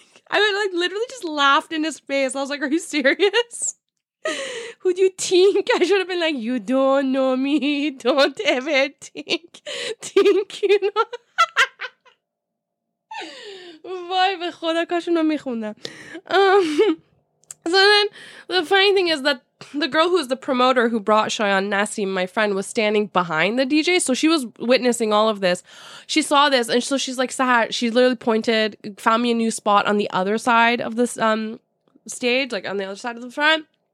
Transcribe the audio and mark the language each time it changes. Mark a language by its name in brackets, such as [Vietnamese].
[English] I mean, like, literally just laughed in his face. I was like, are you serious? Who do you think? I should have been like, you don't know me. Don't ever think you know. [Persian] وای به خدا کاشون رو میخوندم. [English] So then the funny thing is that the girl who was the promoter who brought Shoyeon, Nassim, my friend, was standing behind the DJ. So she was witnessing all of this. She saw this, and so she's like, sad. She literally pointed, found me a new spot on the other side of this stage, like on the other side of the front.